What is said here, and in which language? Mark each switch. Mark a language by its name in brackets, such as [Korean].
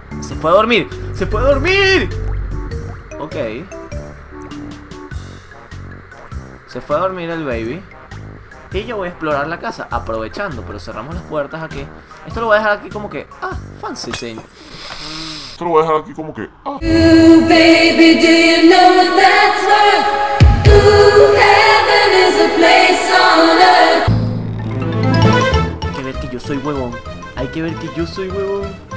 [Spanish] Se puede dormir, se puede dormir. Ok. Se fue a dormir el baby. Y yo voy a explorar la casa, aprovechando, pero cerramos las puertas aquí. Esto lo voy a dejar aquí como que, ah, [English] fancy thing. [Spanish] Esto lo voy a dejar aquí como que, ah. [English] Ooh, baby, do you know what that's worth? Ooh, heaven is a place on earth. [Spanish] Hay que ver que yo soy huevón. Hay que ver que yo soy huevón.